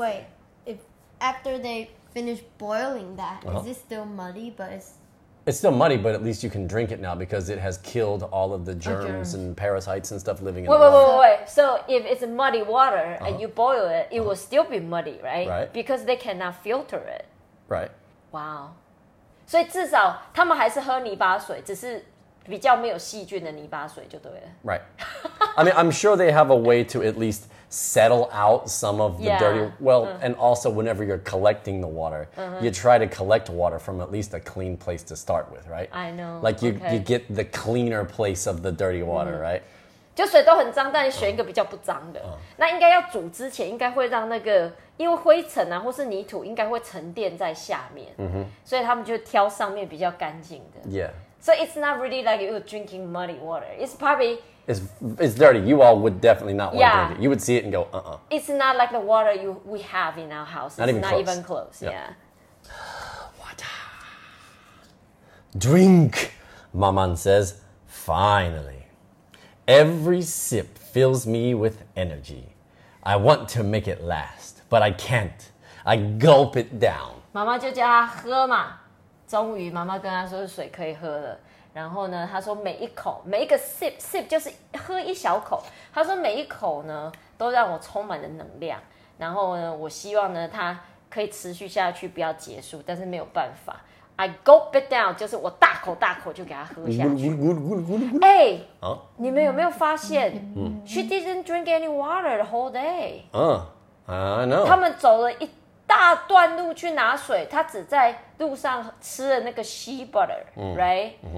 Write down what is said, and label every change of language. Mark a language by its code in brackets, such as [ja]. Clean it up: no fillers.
[en] Wait, if after they finish boiling that, is it still muddy, but It's still muddy, but at least you can drink it now because it has killed all of the germs and parasites and stuff living in wait, the water. Wait. So if it's muddy water and you boil it, it will still be muddy, right? Right. Because they cannot filter it. Right. Wow. [zh] 所以至少他们还是喝泥巴水，只是比较没有细菌的泥巴水就对了。 [en] Right. I mean, I'm sure they have a way to at least settle out some of the dirty... Well, and also whenever you're collecting the water, you try to collect water from at least a clean place to start with, right? I know. Like you get the cleaner place of the dirty water, right? [zh] 就水都很脏，但选一个比较不脏的。那应该要煮之前，应该会让那个因为灰尘啊或是泥土应该会沉淀在下面。嗯哼。所以他们就挑上面比较干净的。 [en] Yeah. So it's not really like you're drinking muddy water. It's probably... It's dirty. You all would definitely not want to drink it. You would see it and go, uh-uh. It's not like the water we have in our house. Not even close. Not even close, yeah. Water. Drink, Maman says, finally. Every sip fills me with energy. I want to make it last, but I can't. I gulp it down. [zh] 妈妈就叫她喝嘛。终于妈妈跟她说水可以喝了。然后呢他说每一口每一个 sip 就是喝一小口，他说每一口呢都让我充满了能量，然后呢我希望呢他可以持续下去不要结束，但是没有办法。 [en] I gulp it down [zh] 就是我大口大口就给他喝下去。欸，你们有没有发现 [en] She didn't drink any water the whole day. I know. [zh] 他们走了一大段路去拿水，他只在路上吃了那个 shea butter, right?